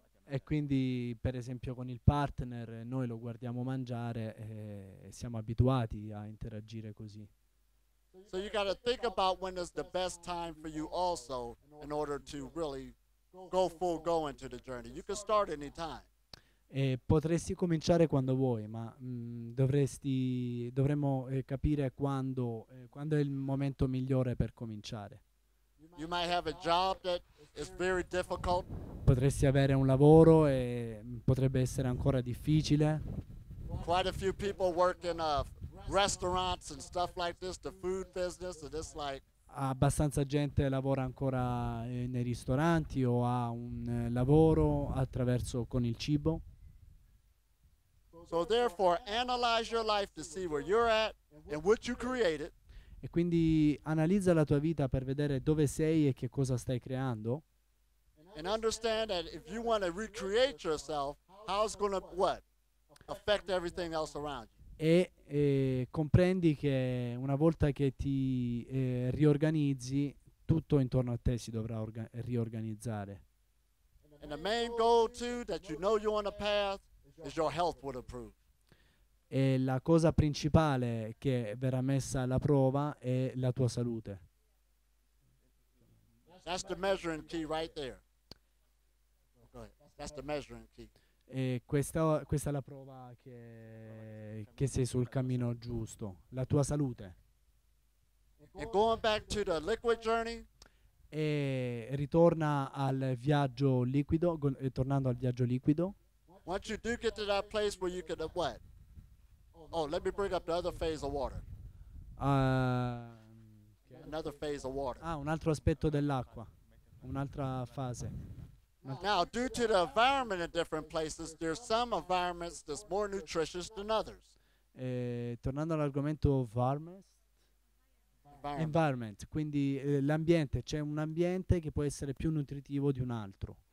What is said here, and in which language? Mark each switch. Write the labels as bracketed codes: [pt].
[it] E quindi, per esempio, con il partner, noi lo guardiamo mangiare e siamo abituati a interagire così. [en] So you gotta think about when is the best time for you also in order to really go full go into the journey. You can start anytime. [it] E potresti cominciare quando vuoi, ma dovremmo capire quando è il momento migliore per cominciare. [en] You might have a job that is very difficult. [it] Potresti avere un lavoro e potrebbe essere ancora difficile. [en] Quite a few people work in restaurants and stuff like this, the food business, and it's like. [it] Abbastanza gente lavora ancora nei ristoranti o ha un lavoro attraverso con il cibo. [en] So therefore, analyze your life to see where you're at and what you created. [it] E quindi analizza la tua vita per vedere dove sei e che cosa stai creando. [en] And understand that if you want to recreate yourself, how's going to what affect everything else around you. [it] E comprendi che una volta che ti riorganizzi, tutto intorno a te si dovrà riorganizzare. [en] And the main goal too, that you know you're on a path, is your health will improve. [it] E la cosa principale che verrà messa alla prova è la tua salute. [en] That's the measuring key right there. That's the measuring key. [it] E questa è la prova che sei sul cammino giusto, la tua salute. [en] And going back to the liquid journey, [it] e ritorna al viaggio liquido, tornando al viaggio liquido. [en] Once you do get to that place where you can what? Oh, let me bring up the other phase of water. Another phase of water. [it] Ah, un altro aspetto dell'acqua, un'altra fase. [en] Now, due to the environment in different places, there's some environments that's more nutritious than others. [it] Tornando all'argomento environment, quindi l'ambiente, c'è un ambiente che può essere più nutritivo di un altro.